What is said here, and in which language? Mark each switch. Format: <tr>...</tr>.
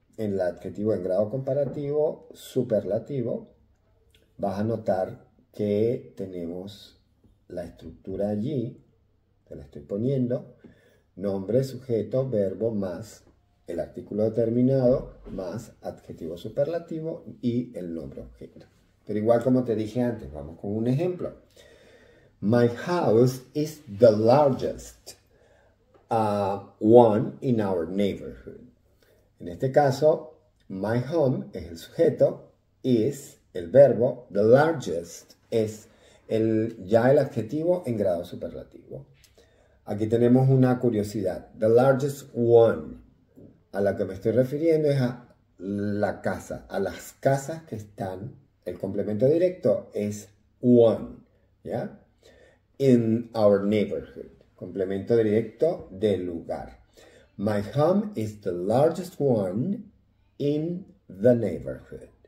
<es>En el adjetivo en grado comparativo, superlativo, vas a notar que tenemos la estructura allí, te la estoy poniendo, nombre, sujeto, verbo, más el artículo determinado, más adjetivo superlativo y el nombre objeto. Pero igual como te dije antes, vamos con un ejemplo.</es> <en>My house is the largest, one in our neighborhood.</en> <es>En este caso,</es> <en>my home</en> <es>es el sujeto, is el verbo,</es> <en>the largest</en> <es>es ya el adjetivo en grado superlativo. Aquí tenemos una curiosidad,</es> <en>the largest one.</en> <es>A la que me estoy refiriendo es a la casa, a las casas que están, el complemento directo es one, ¿ya?</es> <en>In our neighborhood,</en> <es>complemento directo del lugar.</es> <en>My home is the largest one in the neighborhood.</en>